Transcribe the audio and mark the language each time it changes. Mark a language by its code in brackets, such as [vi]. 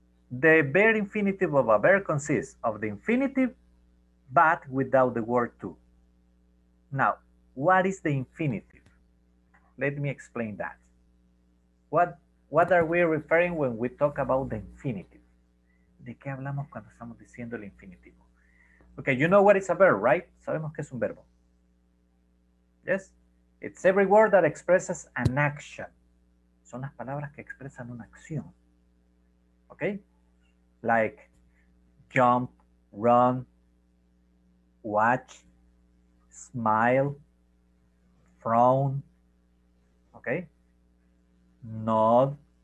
[en] The bare infinitive of a verb consists of the infinitive, but without the word to. Now, what is the infinitive? Let me explain that. What are we referring when we talk about the infinitive? [es] ¿De qué hablamos cuando estamos diciendo el infinitivo? [en] Okay, you know what is a verb, right? [es] Sabemos que es un verbo. [en] Yes? It's every word that expresses an action. [es] Son las palabras que expresan una acción. Okay? [en] Like jump, run, watch, smile, frown. Okay? Nod.